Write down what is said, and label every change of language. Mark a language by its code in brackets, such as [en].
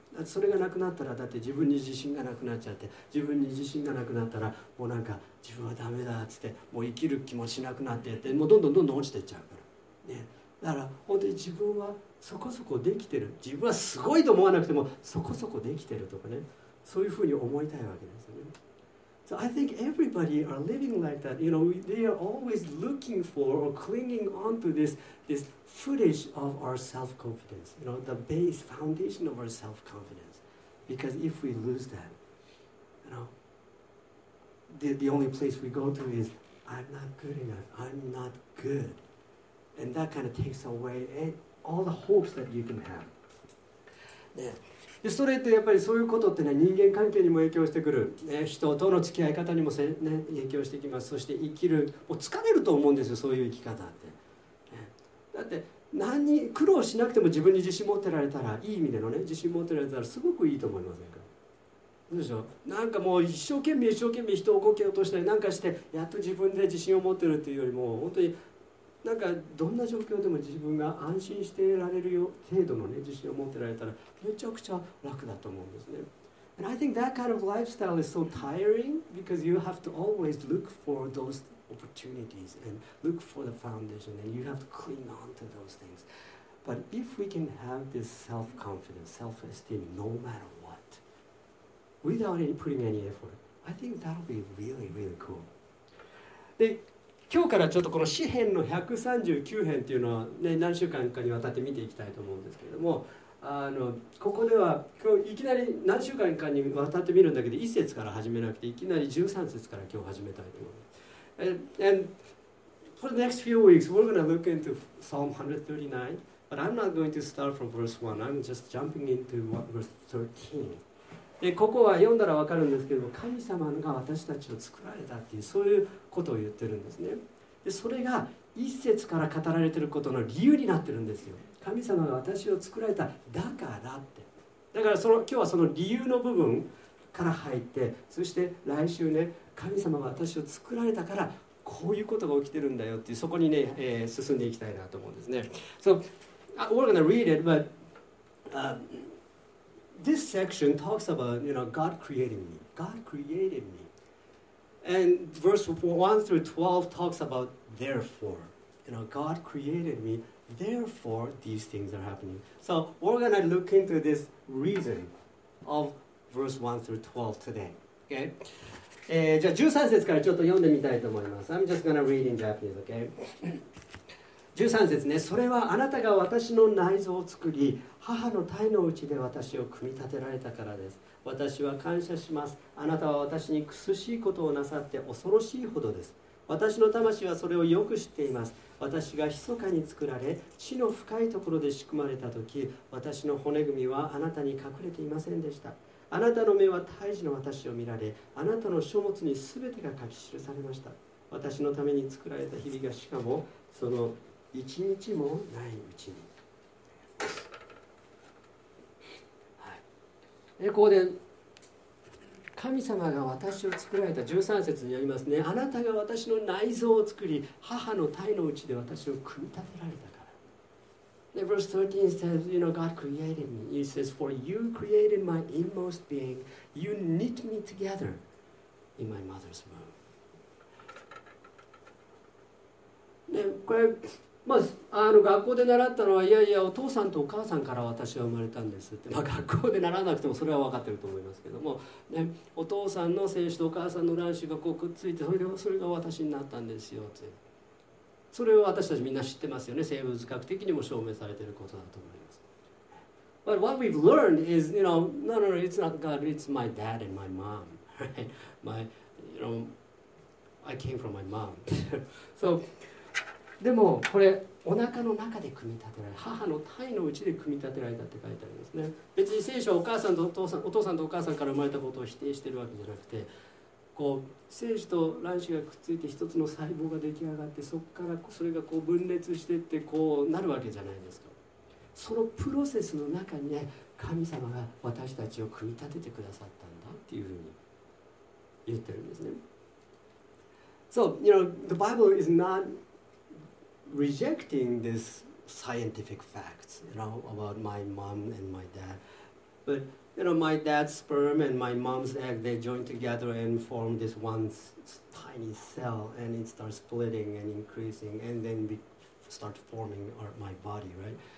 [ja] だってそれがなくなったら、だって自分に自信がなくなっちゃって、自分に自信がなくなったらもうなんか自分はダメだっつって、もう生きる気もしなくなってって、もうどんどんどんどん落ちていっちゃうからね。だから本当に自分はそこそこできてる、自分はすごいと思わなくてもそこそこできてるとかね、そういうふうに思いたいわけですよね。 [en] So I think everybody are living like that. You know, they are always looking for or clinging on to this footage of our self-confidence. You know, the base foundation of our self-confidence. Because if we lose that, you know, the only place we go to is I'm not good enough, I'm not goodAnd that kind of takes away all the hopes that you can have. [ja] で、それってやっぱりそういうことってね、人間関係にも影響してくる、ね、人との付き合い方にも、ね、影響してきます。そして生きる、もう疲れると思うんですよ、そういう生き方って、ね、だって何に苦労しなくても自分に自信持ってられたら、いい意味でのね、自信持ってられたらすごくいいと思いませんか。どうでしょう、なんかもう一生懸命人を動き落としたりなんかして、やっと自分で自信を持ってるっていうよりも、本当になんかどんな状況でも自分が安心していられるよ程度の、ね、自信を持ってられたらめちゃくちゃ楽だと思うんですね。 [en] And I think that kind of lifestyle is so tiring because you have to always look for those opportunities and look for the foundation and you have to cling on to those things. But if we can have this self-confidence, self-esteem no matter what, without any putting any effort, I think that'll be really, really cool. [ja] で今日からちょっとこの詩編の139編っていうのは、ね、何週間かにわたって見ていきたいと思うんですけれども、ここでは今日いきなり何週間かにわたって見るんだけど、1節から始めなくていきなり13節から今日始めたいと思います。 [en] And for the next few weeks we're going to look into Psalm 139, but I'm not going to start from verse 1. I'm just jumping into verse 13. [ja] でここは読んだらわかるんですけども、神様が私たちを作られたっていう、そういうことを言ってるんですね。でそれが一節から語られてることの理由になってるんですよ。神様が私を作られただからって。だからその今日はその理由の部分から入って、そして来週ね、神様が私を作られたからこういうことが起きてるんだよっていう、そこにね、進んでいきたいなと思うんですね。 [en] So we're gonna read it, but this section talks about, you know, God creating me. God created me. And verse 1 through 12 talks about therefore. You know, God created me, therefore these things are happening. So we're going to look into this reason of verse 1 through 12 today. Okay? [ja] じゃあ13節からちょっと読んでみたいと思います。 [en] I'm just going to read in Japanese, okay? [ja] 13節ね、それはあなたが私の内臓を作り、母の胎のうちで私を組み立てられたからです。私は感謝します。あなたは私に苦しいことをなさって恐ろしいほどです。私の魂はそれをよく知っています。私が密かに作られ、地の深いところで仕組まれたとき、私の骨組みはあなたに隠れていませんでした。あなたの目は胎児の私を見られ、あなたの書物にすべてが書き記されました。私のために作られた日々がしかも、その一日もないうちに、はい、ここで神様が私を作られた13節にありますね。あなたが私の内臓を作り、母の胎のうちで私を組み立てられたから。 [en] で、verse 13 says, you know, God created me. He says, for you created my inmost being. You knit me together in my mother's womb. [ja] で、これ、まあ、あの学校で習ったのは、いやいや、お父さんとお母さんから私は生まれたんですって、まあ、学校で習わなくてもそれは分かってると思いますけども、ね、お父さんの精子とお母さんの卵子がこうくっついて、それが私になったんですよって、それを私たちみんな知ってますよね。生物学的にも証明されていることだと思います。 [en] But what we've learned is, you know, no, no, no, it's not God, it's my dad and my mom, right? My, you know, I came from my mom. [ja] So,でもこれお腹の中で組み立てられ、母の胎のうちで組み立てられたって書いてありますね。別に聖書はお母さんとお父さん、お父さんとお母さんから生まれたことを否定してるわけじゃなくて、こう精子と卵子がくっついて一つの細胞が出来上がって、そこからそれがこう分裂してってこうなるわけじゃないですか。そのプロセスの中にね、神様が私たちを組み立ててくださったんだっていうふうに言ってるんですね。 [en] So, you know, the Bible is notrejecting this scientific facts, you know, about my mom and my dad. But, you know, my dad's sperm and my mom's egg, they join together and form this one tiny cell, and it starts splitting and increasing, and then we start forming my body, right?